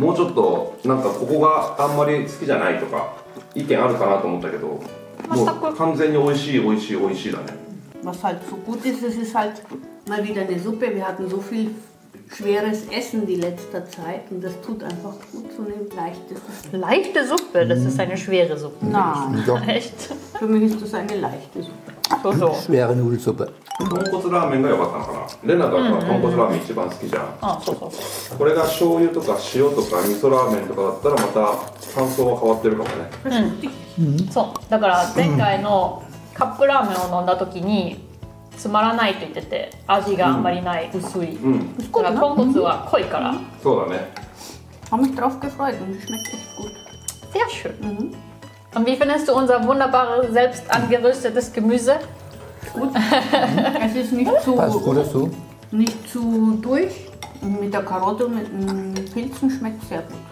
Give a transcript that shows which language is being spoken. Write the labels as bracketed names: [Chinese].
[Japanese] もうちょっとなんかここがあんまり好きじゃないとか意見あるかなと思ったけど、もう完全に美味しい美味しい美味しいだね。 [German] Was halt so gut ist, es ist halt mal wieder eine Suppe. Wir hatten so viel schweres Essen die letzte Zeit und das tut einfach gut, so eine leichte Suppe. Leichte Suppe? Das ist eine schwere Suppe. Nein, echt. Für mich ist das eine leichte Suppe. So, so. Schwere Nudelsuppe. [Japanese] 豚骨ラーメンが良かったのかな。レナだから豚骨ラーメン一番好きじゃん。あ、そうそう。これが醤油とか塩とか味噌ラーメンとかだったらまた感想は変わってるかもね。そう。だから前回のカップラーメンを飲んだ時につまらないと言ってて、味があんまりない、うん、薄い、うん、だから豚骨は濃いから、うん、そうだね。 [German] Habe mich drauf gefreut und es schmeckt echt gut. Sehr schön. Mhm. Und wie findest du unser wunderbares, selbst angeröstetes Gemüse? Gut. Mhm. Es ist nicht zu, passt gut dazu. Nicht zu durch. Und mit der Karotte und mit den Pilzen schmeckt es sehr gut.